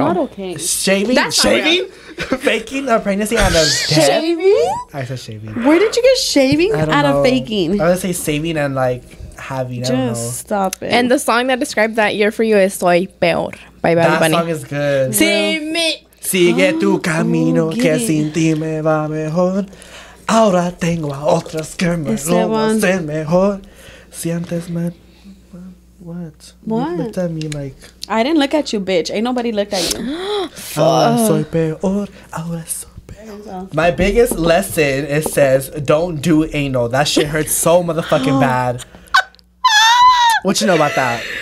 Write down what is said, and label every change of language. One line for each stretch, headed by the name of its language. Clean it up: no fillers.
English: Not okay. Shaving? That's shaving? Faking a pregnancy out of shaving? I said shaving. Where did you get shaving out of faking? I would say saving and like having. Just I don't know. Stop it. And the song that described that year for you is Soy Peor by Bad Bunny. That song is good.
Spanish: Sí, me. Sigue tu camino, que sin ti me va mejor. Ahora tengo a otras que me lo hacen mejor. Si antes me...
English: What? Looked at me like... I didn't look at you, bitch. Ain't nobody looked at you.
Spanish: Ahora soy peor. Ahora soy
English: My biggest lesson, it says, don't do anal. That shit hurts so motherfucking bad. What you know about that?